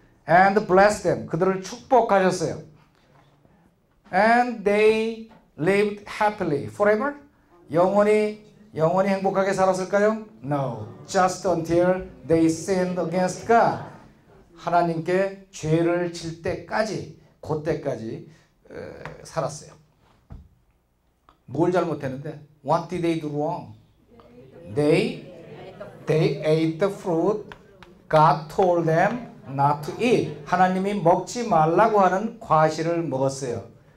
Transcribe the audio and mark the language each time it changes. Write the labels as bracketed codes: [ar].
[en] And blessed them. [ko] 그들을 축복하셨어요. [en] And they lived happily forever. [ko] 영원히 행복하게 살았을까요? [en] No. Just until they sinned against God. [ko] 하나님께 죄를 질 때까지, 그때까지 살았어요. 뭘 잘못했는데? [en] What did they do wrong? They ate the fruit God told them not to eat. [ko] 하나님이 먹지 말라고 하는 과실을 먹었어요.